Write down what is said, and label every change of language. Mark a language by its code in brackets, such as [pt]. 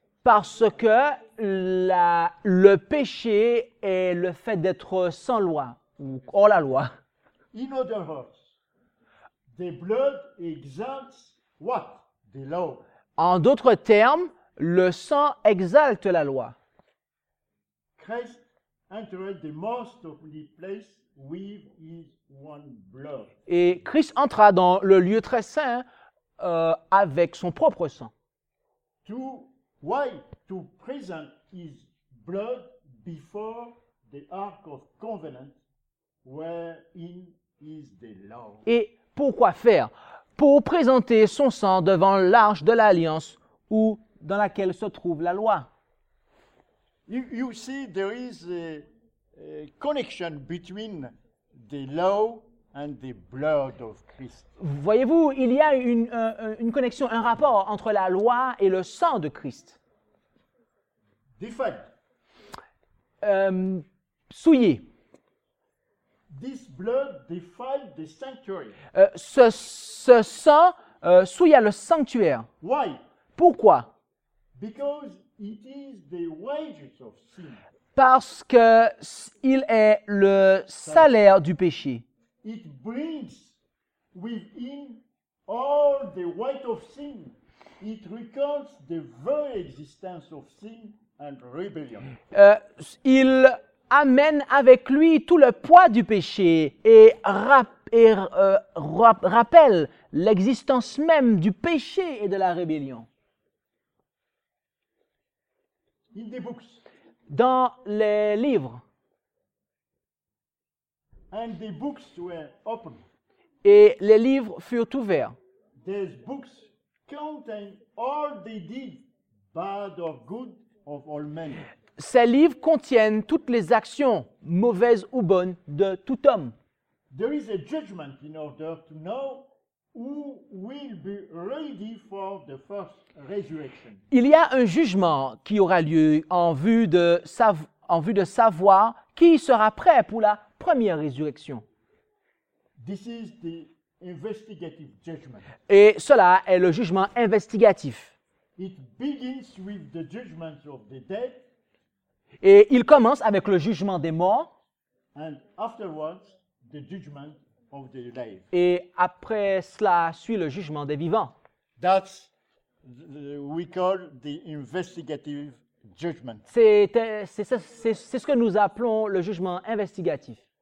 [fr] Parce que le péché est le fait d'être sans loi, ou hors la loi. [en] In other words, the blood exalts what? The law. [fr] En d'autres termes, le sang exalte la loi. [en] Christ entered the most holy place with his one blood. [fr] Et Christ entra dans le lieu très saint avec son propre sang. [en] To why? To present his blood before the Ark of Covenant, wherein is the law. [fr] Et pourquoi faire? Pour présenter son sang devant l'arche de l'alliance, où dans laquelle se trouve la loi. [en] You see, there is a connection between the law and the blood of Christ. [fr] Voyez-vous, il y a une connexion, un rapport entre la loi et le sang de Christ. [en] Defiled. [fr] Souillé. [en] This blood defiled the sanctuary. [fr] Ce sang souilla le sanctuaire. [en] Why? [fr] Pourquoi? [en] Because it is the wages of sin. [fr] Parce que il est le salaire du péché. [en] It brings within all the weight of sin. It records the very existence of sin. And rebellion. [fr] Il amène avec lui tout le poids du péché et rappelle l'existence même du péché et de la rébellion. [en] In the books. [fr] Dans les livres. [en] And the books were open. [fr] Et les livres furent ouverts. [en] These books contain all the deeds, bad or good. Of all men. [fr] Ces livres contiennent toutes les actions, mauvaises ou bonnes, de tout homme. [en] There is a judgment in order to know who will be ready for the first resurrection. [fr] Il y a un jugement qui aura lieu en vue de savoir qui sera prêt pour la première résurrection. [en] This is the investigative judgment. [fr] Et cela est le jugement investigatif. [en] It begins with the judgment of the dead. [fr] Et il commence avec le jugement des morts. [en] And afterwards, the judgment of the alive. [fr] Et après cela suit le jugement des vivants. [en] That's we call the investigative judgment. [fr] C'est ce que nous appelons le jugement investigatif.